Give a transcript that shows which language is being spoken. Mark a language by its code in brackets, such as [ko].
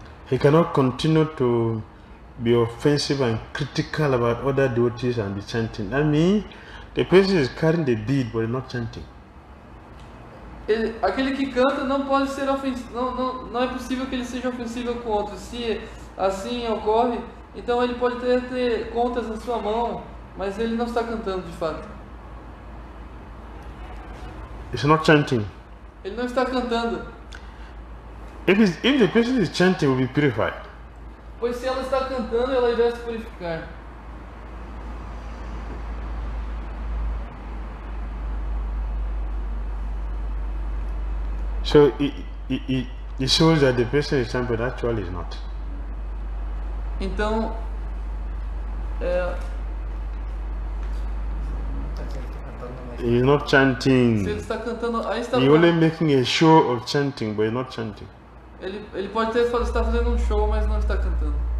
[en] He cannot continue to be offensive and critical about other devotees and be chanting. I mean, the person is carrying the bead but not chanting. [pt] Ele, aquele que canta não pode ser ofensivo, não é possível que ele seja ofensivo com outros. Se assim ocorre, então ele pode ter contas na sua mão, mas ele não está cantando de fato. [en] He's not chanting. [pt] Ele não está cantando. [en] If the person is chanting, will be purified. [pt] Pois se ela está cantando, ela irá se purificar. [en] So it shows that the person is chanting, but actually is not. [pt] Então, [en] he's not chanting. [pt] Se ele está cantando, aí está. [en] He's only making a show of chanting, but he's not chanting. [pt] Ele pode ter falado, está fazendo um show, mas não está cantando.